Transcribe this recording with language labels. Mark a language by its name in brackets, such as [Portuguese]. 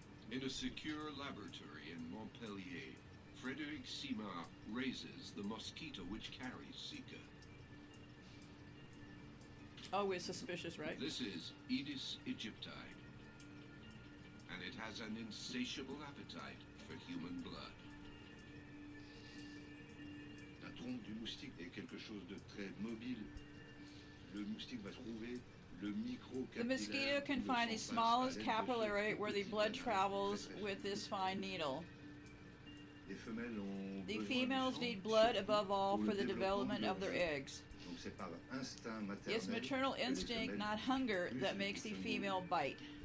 [English] In a secure laboratory in Montpellier, Frederick Simard raises the mosquito which carries Zika. Always suspicious, right? This is Aedes aegypti. And it has an insatiable appetite for human blood. [French] La trompe du moustique est quelque chose de très mobile. Le moustique va trouver le [English] micro-capillaire. The mosquito can find the smallest capillary where the blood travels with this fine needle. [French] Les femelles ont [English] the females need blood above all for the development of their eggs. [French] Donc c'est par instinct maternel. [English] It's maternal instinct, not hunger, that makes the female bite.